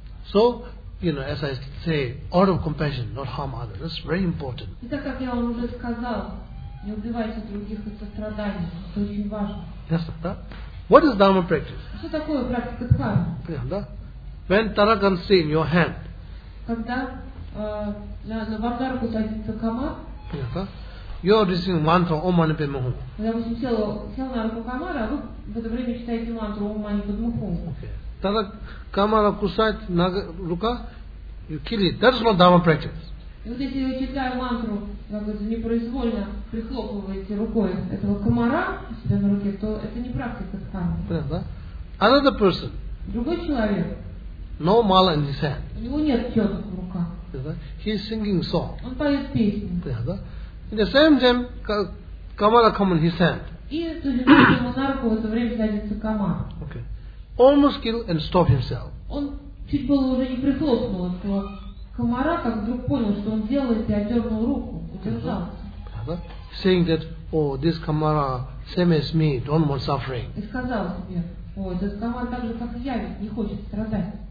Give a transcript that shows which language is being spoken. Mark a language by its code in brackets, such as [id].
[en] So, you know, as I say, out of compassion, not harm others. That's very important. [ru] Итак, как я вам уже сказал, не убивайте других из сострадания. Это очень важно. [en] Yes, [ru] да? [en] What is dharma practice? [ru] Что такое практика дхармы? Понятно, да? [en] When tarakan see in your hand. [ru] Когда на вашу руку садится комар. Понятно, да? [en] You are reciting mantra Om Mani Padme Hum. [ru] Когда вы сел на руку комара, вы в это время читаете мантру Om Mani Padme Hum. [en] Okay. [ru] Тогда комара кусает нога, рука, [en] you kill it. That is not dharma practice. [ru] И вот если вы читаете мантру, как бы непроизвольно прихлопываете рукой этого комара у себя на руке, то это не практика дхармы. Да? [en] Another person. [ru] Другой человек. [en] No mala in his hand. [ru] У него нет четок в руках. Да? [en] He is singing song. [ru] Он поет песню. Да? [en] In the same time, [ru] комара [en] come in his hand. [ru] И то же самое, ему на руку в это время садится комара. [en] Okay. Almost killed and stopped himself. [ru] Он чуть было уже не прихлопнул этого комара, как вдруг понял, что он делает, и отдернул руку, удержался. Да? [en] Saying that, oh, this [ru] комара [en] same as me, don't want suffering. [ru] И сказал себе, о, этот комар так же, как и я, ведь не хочет страдать.